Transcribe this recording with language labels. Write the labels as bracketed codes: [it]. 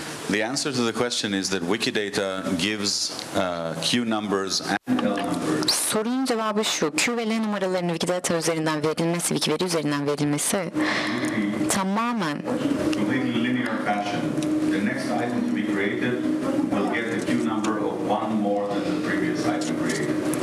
[en] The answer to the question is that Wikidata gives Q numbers and L numbers. [tr] Sorunun cevabı şu. Q ve L numaralarının Wikidata üzerinden verilmesi, Wikiveri üzerinden verilmesi tamamen [en] linear fashion. The next item to be created will get the Q number of one more than the previous item created.